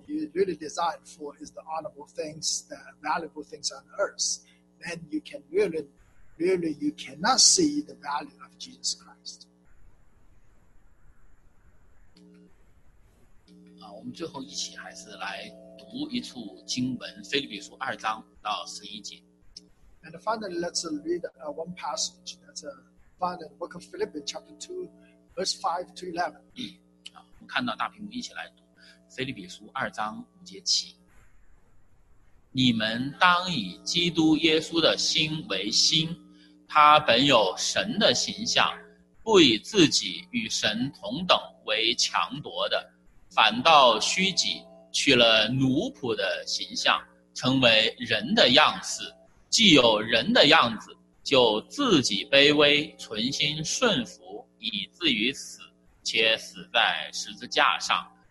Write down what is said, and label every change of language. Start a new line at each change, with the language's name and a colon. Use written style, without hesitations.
English: You really desire for is the honorable things, the valuable things on earth. Then you can really, really, you cannot see the value of Jesus Christ.
Chinese: 我们最后一起还是来读一处经文，《腓立比书》二章到十一节。
English: And finally, let's read one passage that's Find the book of Philippians chapter 2, verse 5 to 11.
Chinese: 我们看到大屏幕一起来读《腓立比书》二章五节起。你们当以基督耶稣的心为心，他本有神的形象，不以自己与神同等为强夺的，反倒虚己，取了奴仆的形象，成为人的样式，既有人的样子，就自己卑微，存心顺服，以至于死，且死在十字架上。